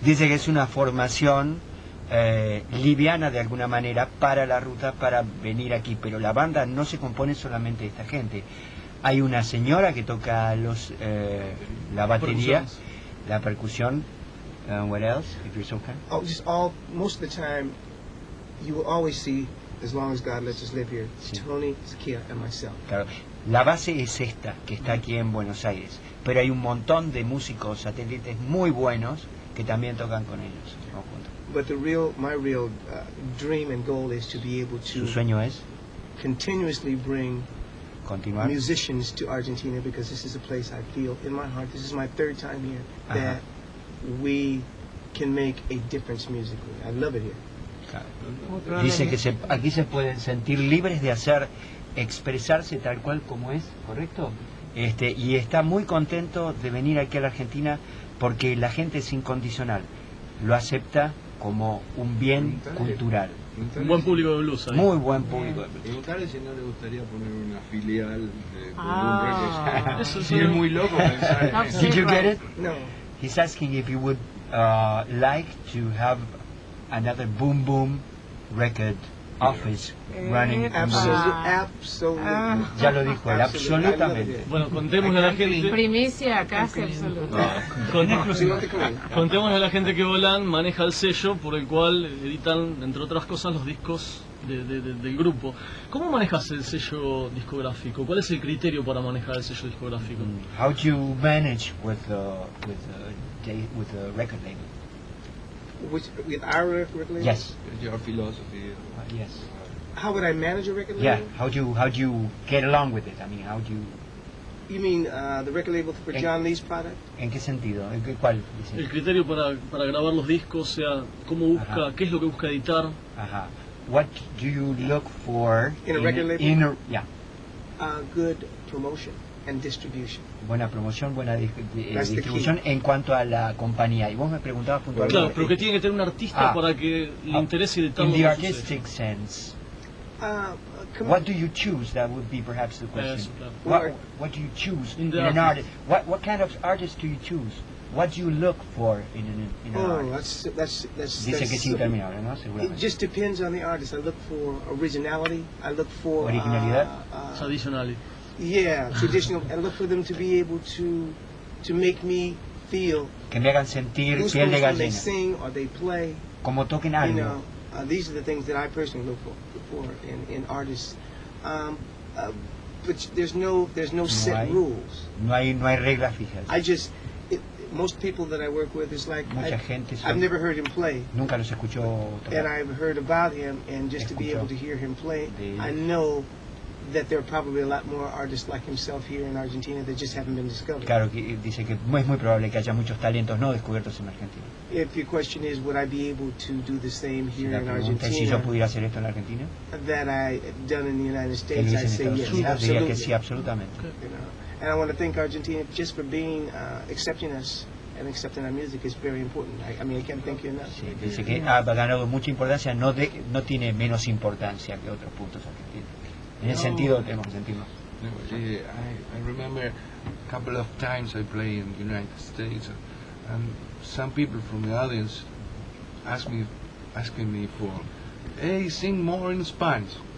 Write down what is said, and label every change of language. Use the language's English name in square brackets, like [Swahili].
[Spanish] Dice que es una formación liviana de alguna manera para la ruta, para venir aquí, pero la banda no se compone solamente de esta gente. Hay una señora que toca los la batería, la percusión. [English] What else, if you're so kind? Oh, just all, most of the time you will always see, as long as God lets us live here, [Spanish] sí. [English] Tony, Zakia and myself. [Spanish] Claro. La base es esta que está aquí en Buenos Aires, pero hay un montón de músicos satélites muy buenos que también tocan con ellos. [English] But the real, my real dream and goal is to be able to [Spanish] su sueño es [English] continuously bring [Spanish] continuar [English] musicians to Argentina, because this is a place I feel in my heart, this is my third time here, uh-huh. that we can make a difference musically. I love it here. [Spanish] Dice que aquí se pueden sentir libres de hacer, expresarse tal cual como es, ¿correcto? Y está muy contento de venir aquí a la Argentina porque la gente es incondicional, lo acepta como un bien cultural. Un buen público de blues, ¿eh? Muy buen público. Preguntarle si no le gustaría poner una filial de es muy loco pensar. [English] Did you get it? No. He's asking if you would like to have another Boom Boom record office running absolutely. [Spanish] Ya lo dijo él, absolutamente. Bueno, contémosle a la gente. Primicia casi absoluta. Contémosle a la gente que Volán maneja el sello por el cual editan, entre otras cosas, los discos del grupo. ¿Cómo manejas el sello discográfico? ¿Cuál es el criterio para manejar el sello discográfico? [English] How do you manage with the record label? With our record label? Yes. Your philosophy. Yes. How would I manage a record label? Yeah. How do you get along with it? I mean, how do you? You mean the record label for John Lee's product? [Spanish] ¿En qué sentido? ¿En qué, cuál? El criterio para grabar los discos, o sea, cómo busca, uh-huh. qué es lo que busca editar. [English] Ajá. Uh-huh. What do you look for in a record label? Good promotion and distribution. [Spanish] Buena promoción, buena distribución en cuanto a la compañía. Y vos me preguntabas puntualmente. Claro, pero que tiene que tener un artista para que le interese de todo. [English] In the artistic sense, what do you choose? That would be perhaps the question. [Spanish] Eso, claro. [English] What do you choose in an artist? What kind of artist do you choose? What do you look for in an artist? That's it just depends on the artist. I look for originality. I look for traditionality. Yeah, traditional. I look for them to be able to make me feel. [Spanish] Que me hagan sentir piel de gallina. [English] They sing or they play. [Spanish] Como toquen algo. [English] You know, these are the things that I personally look for in artists. But there's no set rules. [Spanish] No hay reglas fijas. [English] I just most people that I work with is like I've never heard him play. [Spanish] Nunca los escucho tocar. [English] And I've heard about him, and just to be able to hear him play, I know that there are probably a lot more artists like himself here in Argentina that just haven't been discovered. [Spanish] Claro, dice que es muy probable que haya muchos talentos no descubiertos en Argentina. [English] If your question is, would I be able to do the same here in Argentina? [Spanish] Si yo pudiera hacer esto en Argentina. [English] That I've done in the United States, I'd say yes, absolutely. [Spanish] Diría que sí, absolutamente. [English] You know. And I want to thank Argentina just for being accepting us and accepting our music is very important. I mean, I can't thank you enough. [Spanish] Sí, dice que ha ganado mucha importancia, no tiene menos importancia que otros puntos argentinos. En ese sentido, tenemos que sentirnos. [English] No, I remember a couple of times I played in the United States and some people from the audience asking me for, hey, sing more in Spanish.